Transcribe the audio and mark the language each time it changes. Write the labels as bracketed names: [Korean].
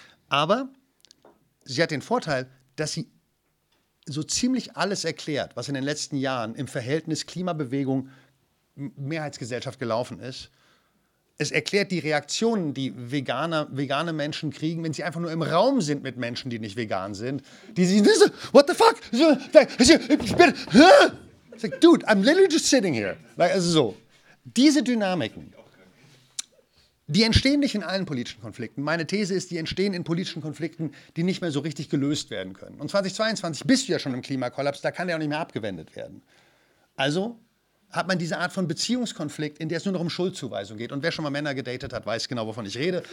[German] Aber sie hat den Vorteil, dass sie so ziemlich alles erklärt, was in den letzten Jahren im Verhältnis Klimabewegung Mehrheitsgesellschaft gelaufen ist. Es erklärt die Reaktionen, die vegane Menschen kriegen, wenn sie einfach nur im Raum sind mit Menschen, die nicht vegan sind. Die sind so, [English] what the fuck? It's like, dude, I'm literally just sitting here. [German] Diese Dynamiken, die entstehen nicht in allen politischen Konflikten. Meine These ist, die entstehen in politischen Konflikten, die nicht mehr so richtig gelöst werden können. Und 2022 bist du ja schon im Klimakollaps, da kann der auch nicht mehr abgewendet werden. Also hat man diese Art von Beziehungskonflikt, in der es nur noch um Schuldzuweisung geht. Und wer schon mal Männer gedatet hat, weiß genau, wovon ich rede.